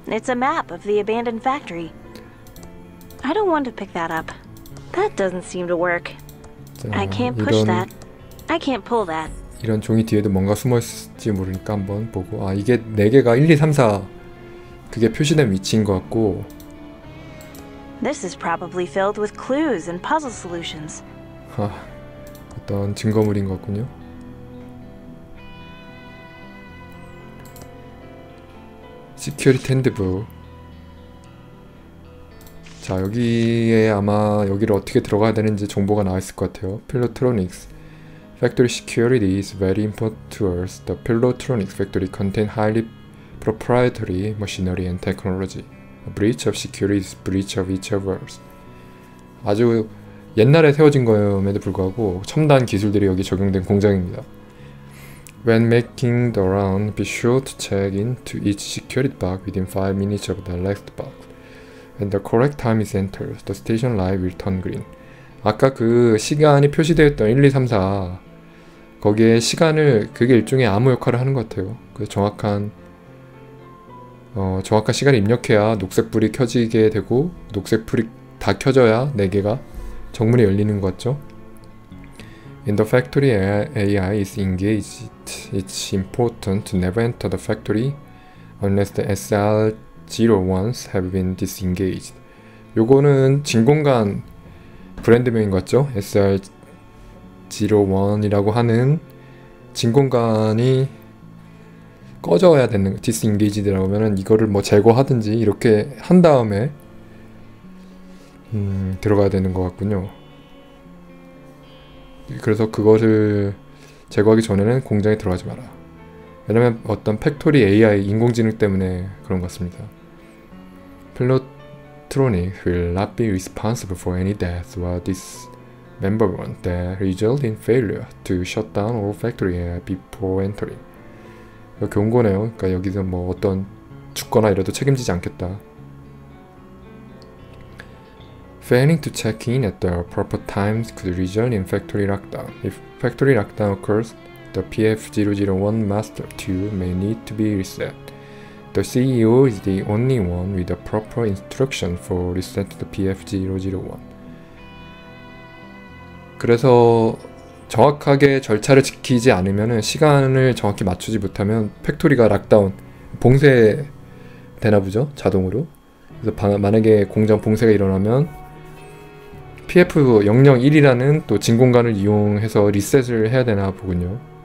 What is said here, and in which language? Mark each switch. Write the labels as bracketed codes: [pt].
[en] It's a map of the abandoned factory. I don't want to pick that up. That doesn't seem to work. [ko] 자, [en] I can't push that. I can't pull that. [ko] 이런 종이 뒤에도 뭔가 숨어 있을지 모르니까 한번 보고. 아, 이게 네 개가 1, 2, 3, 4. 그게 표시된 위치인 것 같고. [en] This is probably filled with clues and puzzle solutions. [ko] 하, 어떤 증거물인 것 같군요. 시큐리티 핸드북. 자, 여기에 아마 여기를 어떻게 들어가야 되는지 정보가 나와 있을 것 같아요. [en] 필로트로닉스 Factory security is very important to us. The Pillowtronics factory contains highly proprietary machinery and technology. A breach of security is a breach of each of us. [ko] 아주 옛날에 세워진 거임에도 불구하고 첨단 기술들이 여기 적용된 공장입니다. [en] When making the round, be sure to check into each security box within 5 minutes of the last box. When the correct time is entered, the station light will turn green. [ko] 아까 그 시간이 표시되었던 1, 2, 3, 4 거기에 시간을, 그게 일종의 암호 역할을 하는 것 같아요. 그 정확한 시간을 입력해야 녹색불이 켜지게 되고 녹색불이 다 켜져야 4개가 정문이 열리는 것 같죠. [en] In the factory, AI is engaged. It's important to never enter the factory unless the SR01s have been disengaged. [ko] 요거는 진공관 브랜드명인 것 같죠? SR01이라고 하는 진공관이 꺼져야 되는 디스인게이지드라고 하면은 이거를 뭐 제거하든지 이렇게 한 다음에 들어가야 되는 것 같군요. 그래서 그것을 제거하기 전에는 공장에 들어가지 마라. 왜냐면 어떤 팩토리 AI 인공지능 때문에 그런 것 같습니다. [en] 플로트로닉 will not be responsible for any deaths or dismemberment that result in failure to shut down all factory before entering. [ko] 경고네요. 그러니까 여기서 뭐 어떤 죽거나 이래도 책임지지 않겠다. [en] Failing to check in at the proper times could result in factory lockdown. If factory lockdown occurs, the PF001 master 2 may need to be reset. The CEO is the only one with the proper instruction for reset the PF001. [ko] 그래서 정확하게 절차를 지키지 않으면 시간을 정확히 맞추지 못하면 팩토리가 락다운 봉쇄되나 보죠? 자동으로. 그래서 만약에 공장 봉쇄가 일어나면 PF001이라는 또 진공관을 이용해서 리셋을 해야 되나 보군요.